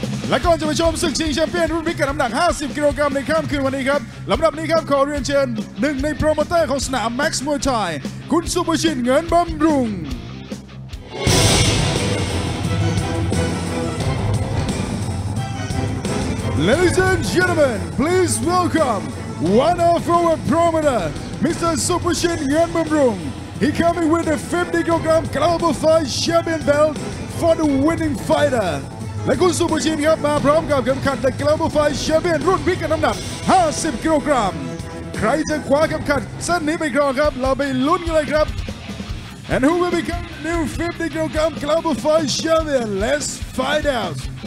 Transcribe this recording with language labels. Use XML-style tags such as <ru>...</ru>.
<th>และก่อนจะไปชมศึกชิงแชมเปี้ยนรุ่นพิกัดน้ำหนัก50กิโลกรัมในค่ำคืนวันนี้ครับลำดับนี้ครับขอเรียนเชิญหนึ่งในโปรโมเตอร์ของสนาม Max Muay Thai, คุณสุภชินเงินบำรุง</th> <en>Ladies and gentlemen, please welcome one of our promoter, Mr. Suphachin Yuen Bumrung. He coming with a 50 kilogram Global Fight Champion belt for the winning fighter.</en> <th>และคุณสุภชินครับมาพร้อมกับเข็มขัด Global Fight Champion รุ่นพิกัดน้ำหนัก50กิโลกรัมใครจะคว้าเข็มขัดเส้นนี้ไปครองครับเราไปลุ้นกันเลยครับ</th> <en>And who will become the new 50 kilogram Global Fight Champion? Let's find out.</en>